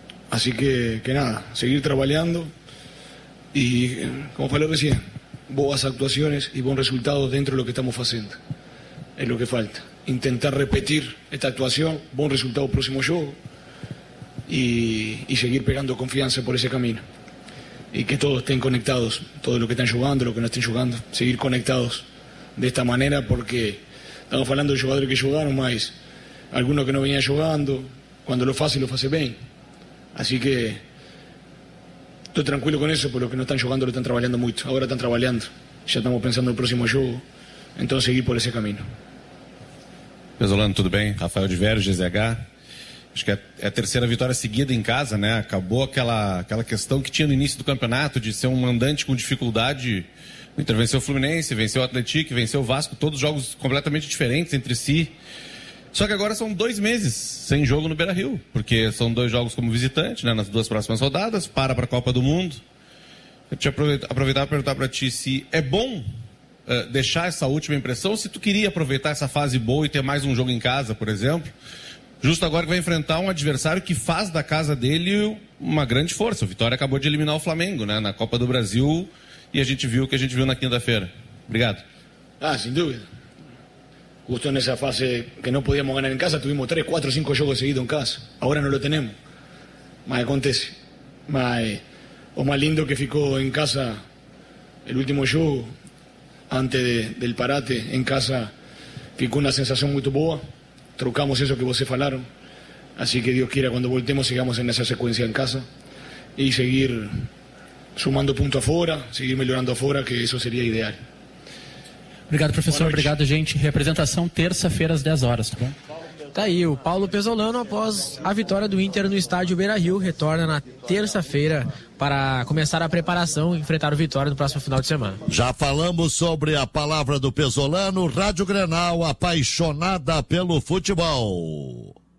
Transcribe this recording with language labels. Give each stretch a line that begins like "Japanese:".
Portuguese: Assim que nada, seguir trabalhando e, como falei recém, boas atuações e bons resultados dentro do que estamos fazendo, é o que falta. Intentar repetir esta atuação, bom resultado próximo jogo e seguir pegando confiança por esse caminho.
Spanish: Y que todos estén conectados, todos los que están jugando, los que no estén jugando, seguir conectados de esta manera, porque estamos hablando de jugadores que jugaron, más algunos que no venían jugando, cuando lo hace bien. Así que estoy tranquilo con eso, pero los que no están jugando lo están trabajando mucho. Ahora están trabajando, ya estamos pensando en el próximo juego, entonces seguir por ese camino. Pezzolano, ¿todo bien? Rafael de Vero, GZH.
Portuguese: Acho que é a terceira vitória seguida em casa, né? Acabou aquela questão que tinha no início do campeonato de ser um mandante com dificuldade. O Inter venceu o Fluminense, venceu o Atlético, venceu o Vasco, todos jogos completamente diferentes entre si. Só que agora são 2 meses sem jogo no Beira-Rio, porque são 2 jogos como visitante, né? Nas 2 próximas rodadas, para a Copa do Mundo. Eu te aproveitar para perguntar para ti se é bom deixar essa última impressão, ou se tu queria aproveitar essa fase boa e ter mais um jogo em casa, por exemplo. Justo agora que vai enfrentar um adversário que faz da casa dele uma grande força. O Vitória acabou de eliminar o Flamengo, né, na Copa do Brasil, e a gente viu o que a gente viu na quinta-feira. Obrigado. Ah, sem dúvida. Justo nessa fase que não podíamos ganhar em casa, tivemos 3, 4, 5 jogos seguidos em casa. Agora não o temos. Mas acontece. Mas
Spanish: o más lindo que ficou en casa el último jogo antes del parate en casa, ficou una sensación muy boa. Trocamos eso que vocês falaron, así que Dios quiera cuando voltemos sigamos en esa secuencia en casa y seguir sumando punto afuera, seguir mejorando afuera, que eso sería ideal.
Portuguese: Obrigado, professor. Obrigado, gente. Representação terça-feira às 10 horas, tá bom? Tá aí, o Paulo Pezzolano, após a vitória do Inter no estádio Beira-Rio, retorna na terça-feira para começar a preparação e enfrentar o Vitória no próximo final de semana. Já falamos sobre a palavra do Pezzolano, Rádio Grenal, apaixonada pelo futebol.